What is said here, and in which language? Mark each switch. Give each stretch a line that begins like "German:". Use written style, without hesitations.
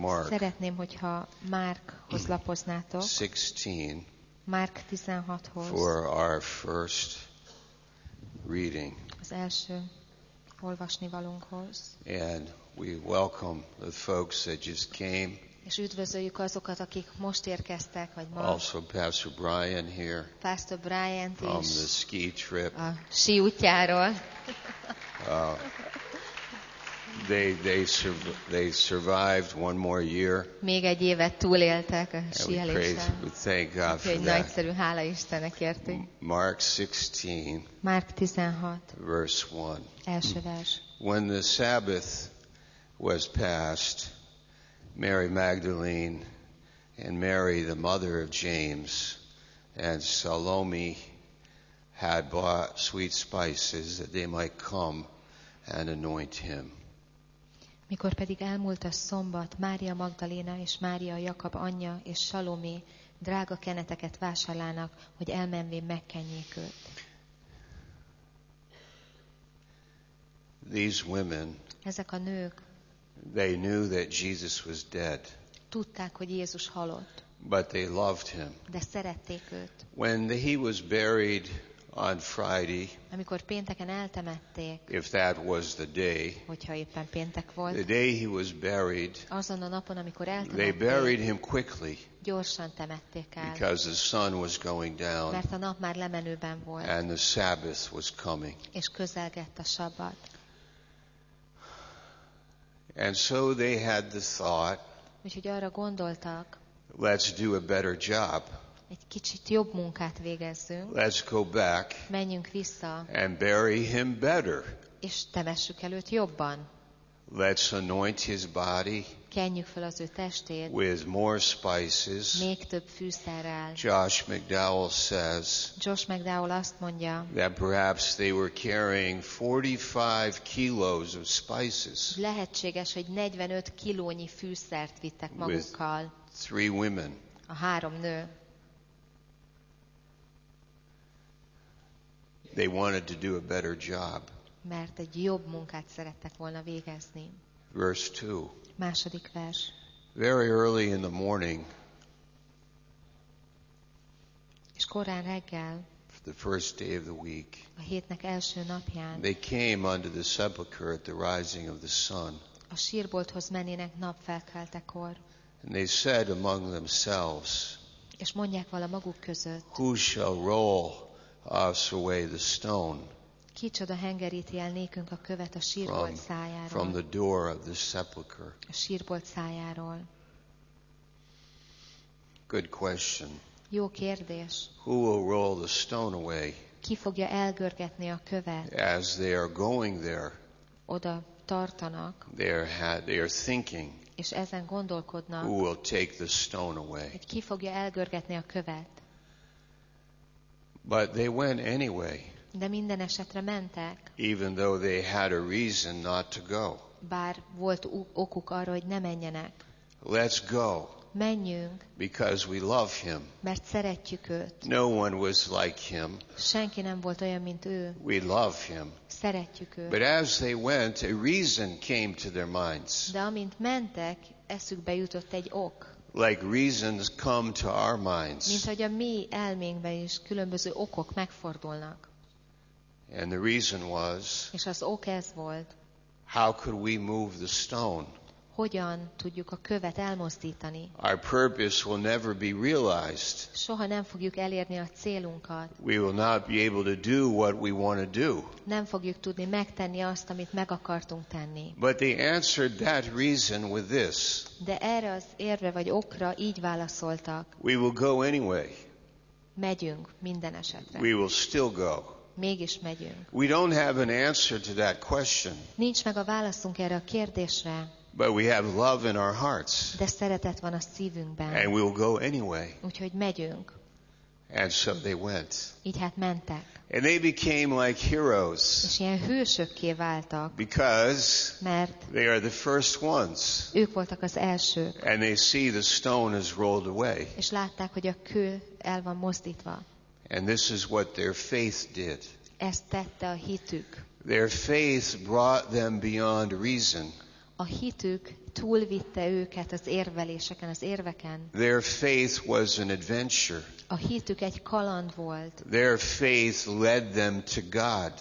Hungarian: Szeretném, hogyha Márkhoz lapoznátok. 16. Mark 16-hoz.
English: For our first reading.
Hungarian: Az első olvasnivalónkhoz.
English: And we welcome the folks that just came.
Hungarian: És üdvözöljük azokat, akik most érkeztek, vagy ma.
English: Also Pastor Brian here.
Hungarian: Pastor Brian is.
English: From the ski trip.
Hungarian: A sí útjáról.
English: They survived one more year.
Hungarian: Még egy évet túléltek a síeléssel.
English: We thank God for that.
Hungarian: Nagyszerű, hála Istennek értünk.
English: Mark 16.
Hungarian: Mark 16.
English: Verse 1.
Hungarian: Első vers.
English: When the Sabbath was passed, Mary Magdalene and Mary, the mother of James, and Salome had bought sweet spices that they might come and anoint him.
Hungarian: Mikor pedig elmúlt a szombat, Mária Magdaléna és Mária Jakab anyja és Salomé drága keneteket vásárlának, hogy elmenvén megkenjék őt.
English: These women,
Hungarian: ezek a nők,
English: they knew that Jesus was dead.
Hungarian: Tudták, hogy Jézus halott.
English: But they loved him.
Hungarian: De szerették őt.
English: When he was buried on Friday,
Hungarian: amikor pénteken eltemették,
English: if that was the day,
Hungarian: hogyha éppen péntek volt,
English: the day he was buried,
Hungarian: azon a napon, amikor eltemették,
English: they buried him quickly,
Hungarian: gyorsan temették el,
English: because the sun was going down,
Hungarian: mert a nap már lemenőben volt,
English: and the Sabbath was coming,
Hungarian: és közelgett a sabbat.
English: And so they had the thought,
Hungarian: úgyhogy arra gondoltak,
English: let's do a better job.
Hungarian: Egy kicsit jobb munkát végezzünk.
English: Let's go back.
Hungarian: Menjünk vissza.
English: And bury him better.
Hungarian: És temessük el őt jobban.
English: Let's anoint his body.
Hungarian: Kenjük fel az ő testét.
English: With more spices.
Hungarian: Még több fűszerrel.
English: Josh McDowell says.
Hungarian: Josh McDowell azt mondja.
English: That perhaps they were carrying 45 kilos of spices.
Hungarian: Lehetséges, hogy 45 kilónyi fűszert vittek magukkal.
English: With three women.
Hungarian: A három nő.
English: They wanted to do a better job.
Hungarian: Mert egy jobb munkát szerettek volna végezni.
English: Verse 2.
Hungarian: Második vers.
English: Very early in the morning.
Hungarian: És korán reggel.
English: The first day of the week.
Hungarian: A hétnek első napján.
English: They came unto the sepulchre at the rising of the sun.
Hungarian: A sírbolthoz mennének napfelkeltekor.
English: And they said among themselves.
Hungarian: És mondják vala maguk között.
English: Who shall roll us away the stone.
Hungarian: Kicsoda hengeríti el nékünk a követ a sírbolt szájáról.
English: From the door of the sepulcher.
Hungarian: A sírbolt szájáról.
English: Good question.
Hungarian: Jó kérdés.
English: Who will roll the stone away?
Hungarian: Ki fogja elgörgetni a követ?
English: As they are going there.
Hungarian: Oda tartanak.
English: They are thinking.
Hungarian: És ezen gondolkodnak.
English: Who will take the stone away?
Hungarian: Ki fogja elgörgetni a követ?
English: But they went anyway.
Hungarian: De minden esetre mentek.
English: Even though they had a reason not to go.
Hungarian: Bár volt okuk arra, hogy ne menjenek.
English: Let's go.
Hungarian: Menjünk.
English: Because we love him.
Hungarian: Mert szeretjük őt.
English: No one was like him.
Hungarian: Senki nem volt olyan, mint ő.
English: We love him.
Hungarian: Szeretjük őt.
English: But as they went, a reason came to their minds.
Hungarian: De amint mentek, eszükbe jutott egy ok.
English: Like reasons come to our minds.
Hungarian: Mint hogy a mi elménkbe is különböző okok megfordulnak.
English: And the reason was.
Hungarian: És az ok ez volt.
English: How could we move the stone?
Hungarian: Hogyan tudjuk a követ elmozdítani?
English: Our purpose will never be realized.
Hungarian: Soha nem fogjuk elérni a célunkat.
English: We will not be able to do what we want to do.
Hungarian: Nem fogjuk tudni megtenni azt, amit meg akartunk tenni.
English: But they answered that reason with this.
Hungarian: De erre az érve vagy okra így válaszoltak.
English: We will go anyway.
Hungarian: Megyünk minden esetre.
English: We will still go.
Hungarian: Mégis megyünk.
English: We don't have an answer to that question.
Hungarian: Nincs meg a válaszunk erre a kérdésre.
English: But we have love in our hearts.
Hungarian: De szeretet van a szívünkben.
English: And we will go anyway.
Hungarian: Úgyhogy megyünk.
English: And so they went.
Hungarian: Így hát mentek.
English: And they became like heroes.
Hungarian: És ilyen hősökké váltak.
English: Because
Hungarian: mert
English: they are the first ones.
Hungarian: Ők voltak az elsők.
English: And they see the stone is rolled away.
Hungarian: És látták, hogy a kő el van mozdítva.
English: And this is what their faith did.
Hungarian: Ezt tette a hitük.
English: Their faith brought them beyond reason.
Hungarian: A hitük túlvitte őket az érveléseken, az érveken.
English: Their faith was an adventure.
Hungarian: A hitük egy kaland volt.
English: Their faith led them to God.